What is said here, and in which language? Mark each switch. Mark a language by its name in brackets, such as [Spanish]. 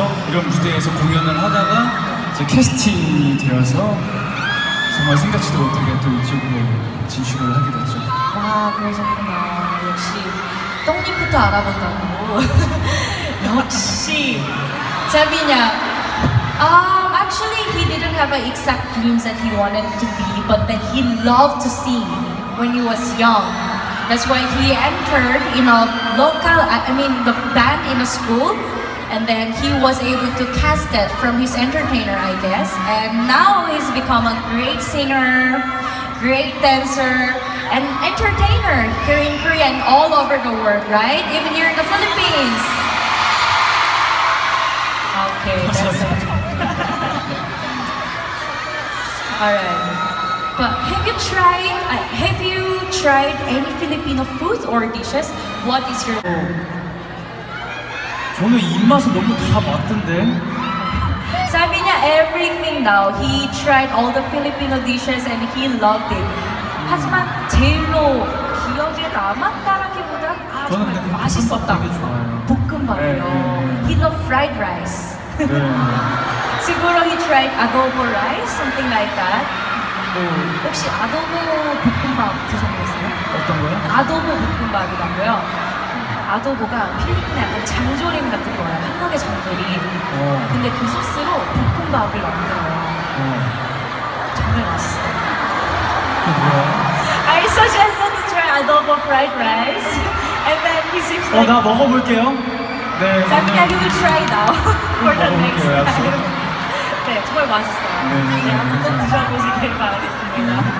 [Korean] 이런 무대에서 공연을 하다가 이제 캐스팅이 되어서 정말 생각지도 못하게 또 이쪽으로 진출을 하게 됐죠. 와, 그러셨구나. 역시 떡잎부터 알아본다고. 역시 자비냐. [English] Actually, he didn't have an exact dreams that he wanted to be, but that he loved to sing when he was young. That's why he entered in a local, I mean, the band in a school. And then he was able to cast it from his entertainer, I guess. And now he's become a great singer, great dancer, and entertainer here in Korea and all over the world, right? Even here in the Philippines. Okay, that's it. Alright. But have you tried any Filipino food or dishes? What is your... [Korean] 저는 입맛은 너무 다 맞던데. 사비 냐 everything now. [English] He tried all the Filipino dishes and he loved it. [Korean] 하지만 제일로 기억에 남았다라기보다 아 정말 저는 맛있었다. 볶음밥이요. 네, 네. [English] He loved fried rice. [Korean] 네. [English] 지금으로 he tried adobo rice, something like that. [Korean] 네. 혹시 아도보 볶음밥 드셔보셨어요? 어떤 거요? 아도보 볶음밥이라고요. 아도보가 필리핀의 약간 장조림 같은 거예요. 한국의 장조림. 근데 그 소스로 볶음밥을 만들어요. 정말 맛있어요. 뭐야? [English] I suggested to try adobo fried rice. And then he seems like... [Korean] 나 먹어볼게요. 네. [English] 자기야, you will try now. For the next time. [Korean] 약속. 네, 정말 맛있어요. 네, 한번 드셔보시길 바라겠습니다.